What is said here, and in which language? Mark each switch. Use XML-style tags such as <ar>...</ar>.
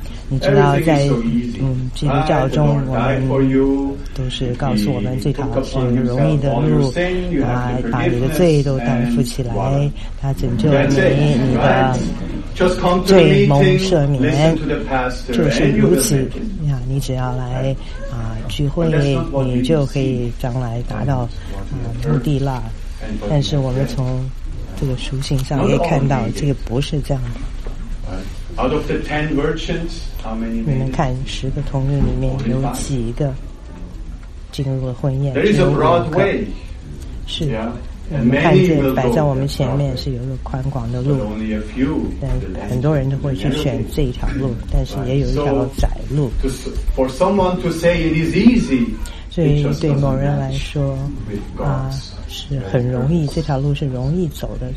<zh>你知道在基督教中，我们都是告诉我们这条是容易的路，他把你的罪都担负起来，他拯救你，你的罪蒙赦免，就是如此。你只要来聚会，你就可以将来达到目的了。但是我们从这个书信上也看到，这个不是这样的。</zh> <en>Out of the 10 merchants, how many men?</en> <zh>你们看十个同人里面有几个进入了婚宴？</zh> <en>There is a broad way.</en> <zh>是，我们看见摆在我们前面是有一个宽广的路，但很多人都会去选这一条路，但是也有一条窄路。</zh> <en>For someone to say it is easy,</en> <zh>所以对某人来说，是很容易，这条路是容易走的。</zh>